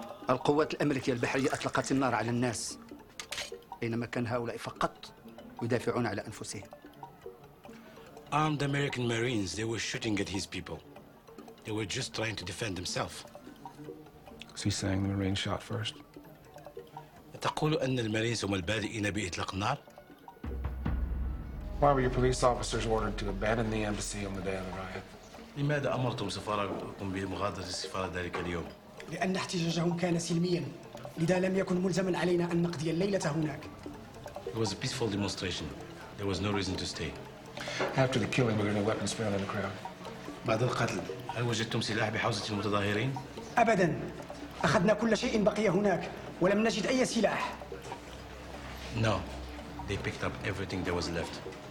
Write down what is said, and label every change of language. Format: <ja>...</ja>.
<ar>القوات الأمريكية البحرية أطلقت النار على الناس بينما كان هؤلاء فقط يدافعون على أنفسهم.</ar> <en>Armed American Marines, they were shooting at his people. They were just trying to defend themselves. Is he saying the Marines shot first?</en> <ar>تقول أن المارينز هم البادئين بإطلاق النار؟</ar> <en>Why were your police officers ordered to abandon the embassy on the day of the riot?</en> <ar>لماذا أمرتم سفاركم بمغادرة السفارة ذلك اليوم؟ لأن احتجاجهم كان سلميا، لذا لم يكن ملزما علينا أن نقضي الليلة هناك.</ar> <en>It was a peaceful demonstration. There was no reason to stay. After the killing, were there no weapons found in the crowd?</en> <ar>بعد القتل، هل وجدتم سلاح بحوزة المتظاهرين؟ أبدا، أخذنا كل شيء بقي هناك ولم نجد أي سلاح.</ar> <en>No. They picked up everything that was left.</en>